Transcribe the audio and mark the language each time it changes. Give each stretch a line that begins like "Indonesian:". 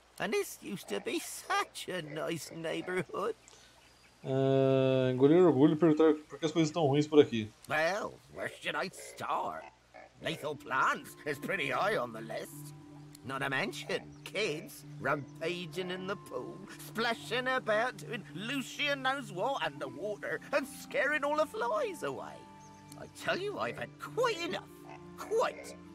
English: And this used to be such a nice neighborhood.
Portuguese: Engolir orgulho e perguntar por que as coisas estão ruins por aqui.
English: Well, where should I start? Lethal plants is pretty high on the list. Not to mention kids rampaging in the pool, splashing about doing Lucian knows what underwater and scaring all the flies away. I tell you, I've had quite enough. Quite.